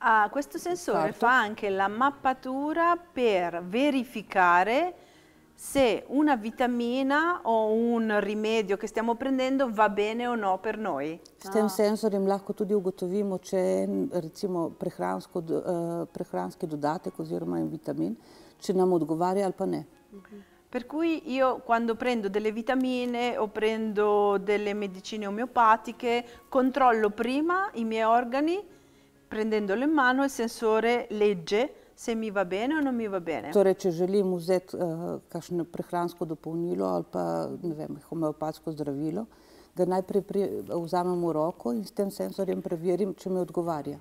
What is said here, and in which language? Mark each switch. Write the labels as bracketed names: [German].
[Italian] Questo sensore fa anche la mappatura per verificare se una vitamina o un rimedio che stiamo prendendo va bene o no per noi. [Slovenian] Stem sensorim lahko tudi ugotovimo če recimo prehranski dodatek oziroma in vitamin če nam odgovarja ali pa ne. [Italian] Per cui io quando prendo delle vitamine o prendo delle medicine omeopatiche controllo prima i miei organi. Prendendolo in mano il sensore legge se mi va bene o non mi va bene. [Slovenian] Torej, če želim vzeti kakšno prehransko dopolnilo ali pa ne vem, homeopatsko zdravilo, ga najprej vzamem v roko in s tem sensorjem preverim, če mi odgovarja.